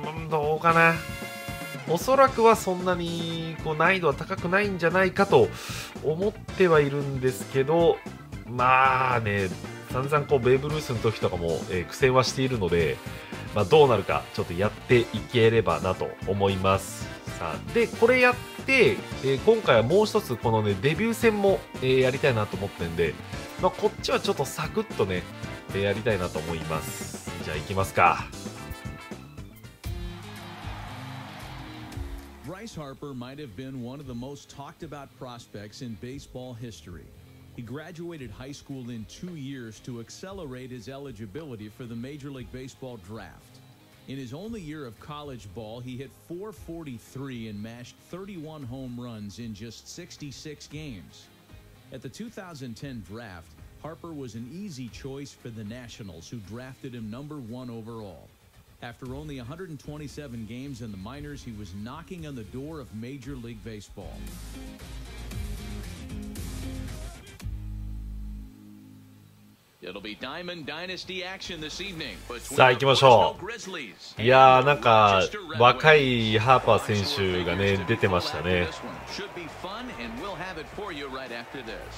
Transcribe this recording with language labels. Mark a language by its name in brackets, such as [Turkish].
[Japanese] どうかな、おそらくはそんなにこう難易度は高くないんじゃないかと思ってはいるんですけど、まあね、散々こうベーブ・ルースの時とかも、苦戦はしているので、まあ、どうなるかちょっとやっていければなと思います。さあ、でこれやって、今回はもう一つこの、ね、デビュー戦も、やりたいなと思ってんで、まあ、こっちはちょっとサクッとね、やりたいなと思います。じゃあ行きますか。 [English] Bryce Harper might have been one of the most talked about prospects in baseball history. He graduated high school in 2 years to accelerate his eligibility for the Major League Baseball draft. In his only year of college ball, he hit .443 and mashed 31 home runs in just 66 games. At the 2010 draft,Harper was an easy choice for the Nationals, who drafted him number one overall. After only 127 games in the minors, he was knocking on the door of Major League Baseball. It'll be Diamond Dynasty action this evening. [Japanese] さあ行きましょう。いやー、なんか若いハーパー選手がね出てましたね。 [English] Should be fun, and we'll have it for you right after this.